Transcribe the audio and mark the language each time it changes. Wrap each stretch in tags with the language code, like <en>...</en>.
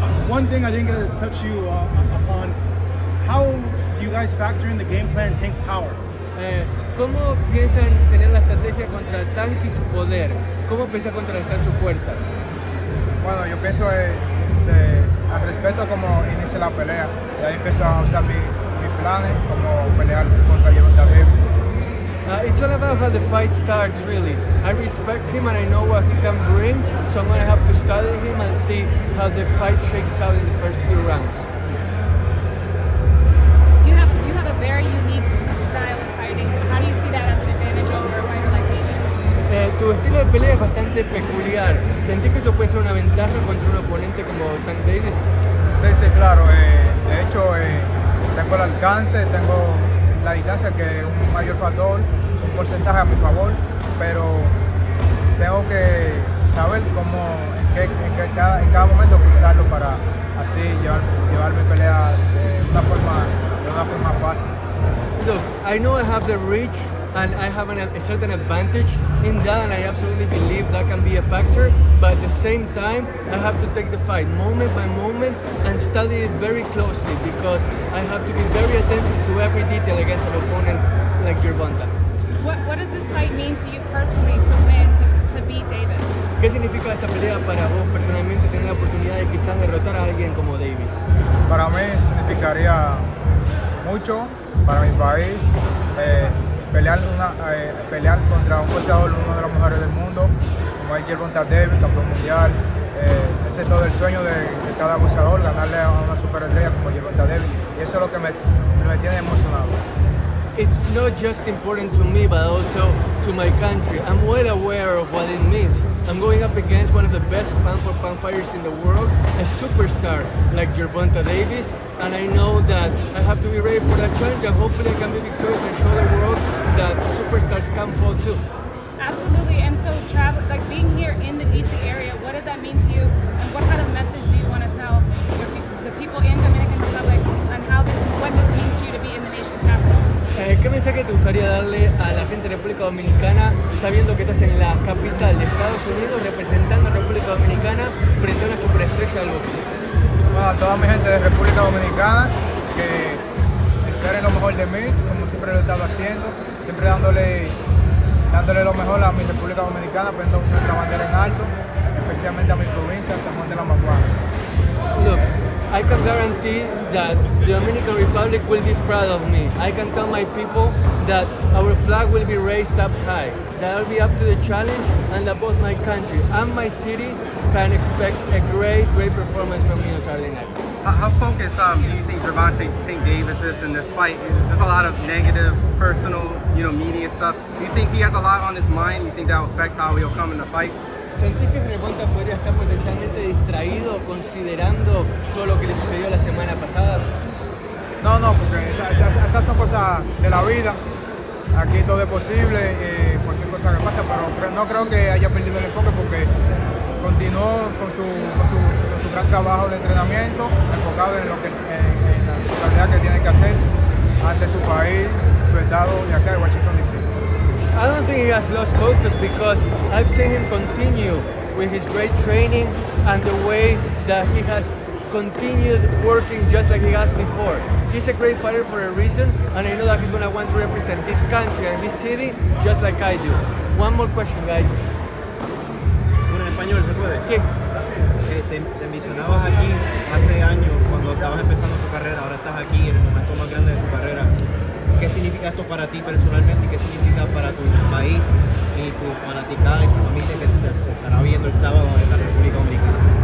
<en>One thing I didn't get to touch you upon, how do you guys factor in the game plan tank's power?</en> <es>¿Cómo piensan tener la estrategia contra el tank y su poder? ¿Cómo piensan contrarrestar su fuerza? Bueno, yo pienso al respeto como inicia la pelea. Y ahí empiezo a usar mis planes como pelear contra Gervonta Davis.</es> <en>It's all about how the fight starts, really. I respect him and I know what he can bring, so I'm going to have to study him and see how the fight shakes out in the first few rounds. You have a very unique style of fighting. How do you see that as an advantage over a fighter like Davis?</en> <es>Tu estilo de pelea es bastante peculiar. ¿Sentís que eso puede ser una ventaja contra un oponente como Tank Davis? Sí, sí, claro. De hecho, tengo el alcance, tengo la distancia que es un mayor factor, un porcentaje a mi favor, pero tengo que saber cómo, en cada momento usarlo para así llevar mi pelea de una forma fácil.</es> <en>Look, I know I have the reach and I have a certain advantage in that, and I absolutely believe that can be a factor, but at the same time, I have to take the fight moment by moment and study it very closely because I have to be very attentive to every detail against an opponent like Gervonta. What does this fight mean to you personally to win, to beat Davis?</en> <es>¿Qué significa esta pelea para vos personalmente tener la oportunidad de quizás derrotar a alguien como Davis? Para mí significaría mucho para mi país. Pelear contra un boxeador, uno de los mejores del mundo, como es Gervonta Davis, campeón mundial. Ese es todo el sueño de cada boxeador, ganarle a una superestrella como Gervonta Davis. Y eso es lo que me tiene emocionado.</es> <en>It's not just important to me, but also to my country. I'm well aware of what it means. I'm going up against one of the best pound-for-pound fighters in the world, a superstar like Gervonta Davis, and I know that I have to be ready for that challenge, and hopefully I can be victorious and show the world that superstars can fall too. Absolutely, and so travel, like being here in the DC area, what does that mean to you, and what kind of message do you want to tell the people in Dominican Republic, and what this means to you to be in the nation's capital?</en> <es>¿Qué mensaje te gustaría darle a la gente de República Dominicana sabiendo que estás en la capital de Estados Unidos representando a República Dominicana frente a una superestrella del boxeo? Bueno, a toda mi gente de República Dominicana, que esperen lo mejor de mí, como siempre lo he estado haciendo, siempre dándole lo mejor a mi República Dominicana, poniendo nuestra bandera en alto, especialmente a mi provincia, San Juan de la Maguana.</es> <en>I can guarantee that the Dominican Republic will be proud of me. I can tell my people that our flag will be raised up high, that I'll be up to the challenge, and that both my country and my city can expect a great, great performance from me on Saturday night. How focused do you think Gervonta St. Davis is in this fight? There's a lot of negative, personal, media stuff. Do you think he has a lot on his mind? Do you think that will affect how he'll come in the fight?</en> <es>¿Sentís que Gervonta podría estar potencialmente distraído considerando todo lo que le sucedió la semana pasada? No, no, porque esas son cosas de la vida. Aquí todo es posible, cualquier cosa que pasa, pero no creo que haya perdido el enfoque porque continuó con su gran trabajo de entrenamiento, enfocado en lo que en la tarea que tiene que hacer ante su país, su estado y acá en Washington DC.</es> <en>I don't think he has lost focus because I've seen him continue with his great training and the way that he has continued working just like he has before. He's a great fighter for a reason, and I know that he's going to want to represent his country and his city just like I do. One more question, guys.</en> <es>¿En español se puede? Sí. Te mencionabas aquí hace años cuando estabas empezando tu carrera. Ahora estás aquí en el momento más grande de tu carrera. ¿Qué significa esto para ti personalmente y qué significa para tu país y tu fanaticada y tu familia que te estará viendo el sábado en la República Dominicana?</es>